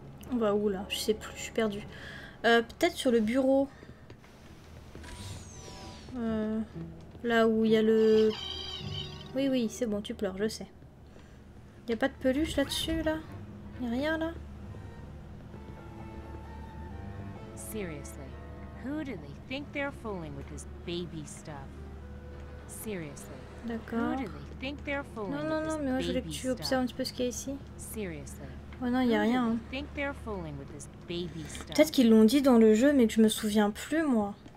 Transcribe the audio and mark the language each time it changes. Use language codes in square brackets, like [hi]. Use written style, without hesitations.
[fr] On va où là? Je sais plus, je suis perdue. Peut-être sur le bureau. Là où il y a le... Oui, oui, c'est bon, tu pleures, je sais. Il n'y a pas de peluche là-dessus, là? Il n'y a rien là? [en] Seriously, who do they think they're fooling with this baby stuff? Seriously. [fr] D'accord. Non, non, non, mais moi je voulais que tu observes un petit peu ce qu'il y a ici. Oh non, il n'y a rien. Hein. Peut-être qu'ils l'ont dit dans le jeu, mais que je me souviens plus, moi.